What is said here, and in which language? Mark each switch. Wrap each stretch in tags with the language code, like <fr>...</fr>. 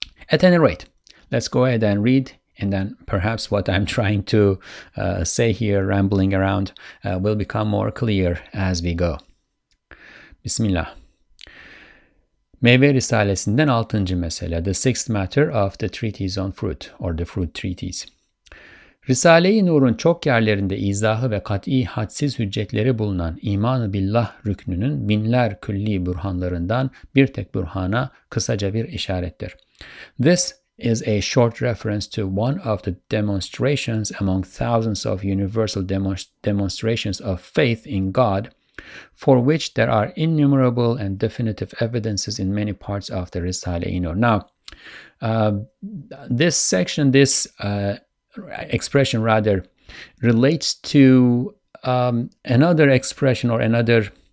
<en>At any rate, let's go ahead and read, and then perhaps what I'm trying to say here, rambling around, will become more clear as we go. Bismillah.</en> <tr>Meyve Risalesinden 6. Mesele,</tr> <en>the 6th matter of the Treatise on Fruit, or the Fruit Treatise.</en> <tr>Risale-i Nur'un çok yerlerinde izahı ve kat'i hadsiz hüccetleri bulunan İman-ı Billah rüknünün binler külli burhanlarından bir tek burhana kısaca bir işarettir.</tr> <en>This is a short reference to one of the demonstrations among thousands of universal demonstrations of faith in God, for which there are innumerable and definitive evidences in many parts of the Risale-i Nur. Now, this section, this expression rather, relates to another expression or another</en>